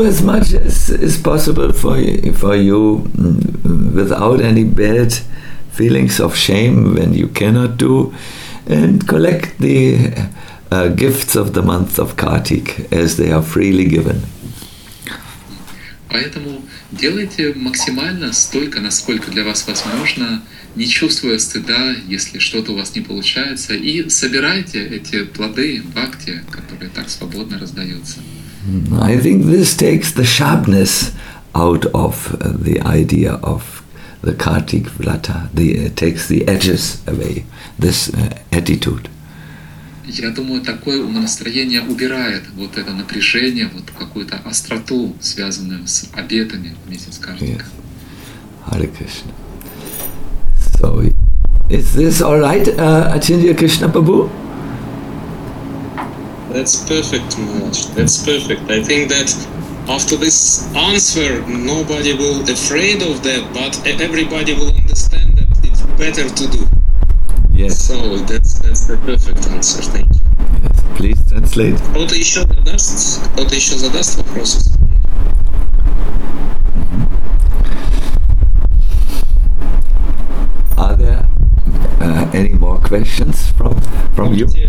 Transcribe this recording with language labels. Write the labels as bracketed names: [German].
[English] as much as is possible for you without any bad feelings of shame when you cannot do, and collect the gifts of the month of Kartik as they are freely given. [Russian] Поэтому делайте максимально столько, насколько для вас возможно, не чувствуя стыда, если что-то у вас не получается, и собирайте эти плоды бхакти, которые так свободно раздаются. [English] I think this takes the sharpness out of the idea of the Kartik Vrata. It takes the edges away, this attitude. [Russian] Я думаю, такое умонастроение убирает вот это напряжение, вот какую-то остроту, связанную с обетами в месяц Картика. [English] Yes. Hare Krishna. So, is this all right, Acharya Krishna Prabhu? That's perfect, Maharaj. That's perfect. I think that after this answer, nobody will be afraid of that, but everybody will understand that it's better to do. Yes. So that's the perfect answer. Thank you. Yes. Please translate. [Russian] Кто-то ещё задаст вопрос? [English] Are there any more questions from you?